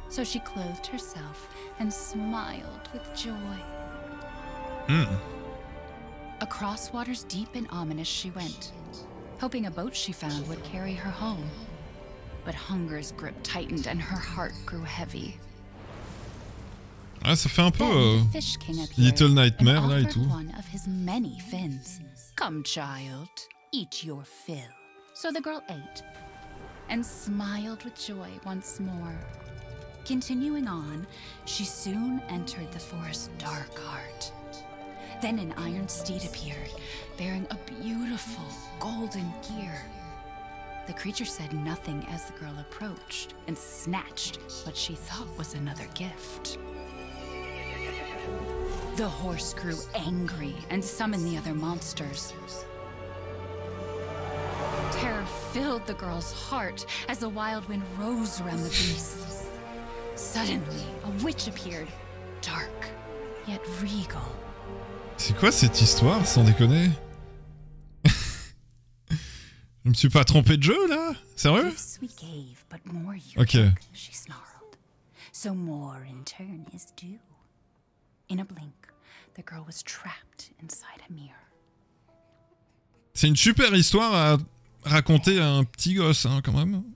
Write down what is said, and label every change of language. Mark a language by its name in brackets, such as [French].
[English] So she clothed herself and smiled with joy. Mm. Across waters deep and ominous she went, hoping a boat she found would carry her home. But hunger's grip tightened and her heart grew heavy. [French] Ah, ça fait un peu Little Nightmare là et tout. [English] One of his many fins. Come, child, eat your fill. So the girl ate and smiled with joy once more. Continuing on, she soon entered the forest's dark heart. Then an iron steed appeared, bearing a beautiful golden gear. The creature said nothing as the girl approached and snatched what she thought was another gift. The horse grew angry and summoned the other monsters. Terror filled the girl's heart as a wild wind rose around the beast. Suddenly, a witch appeared, dark yet regal. [French] C'est quoi cette histoire, sans déconner? Je me suis pas trompé de jeu là? Sérieux? [English] Gifts we gave, but more you took, she snarled. So more in turn is due. In a blink, the girl was trapped inside a mirror. [French] C'est une super histoire à raconter à un petit gosse, hein, quand même.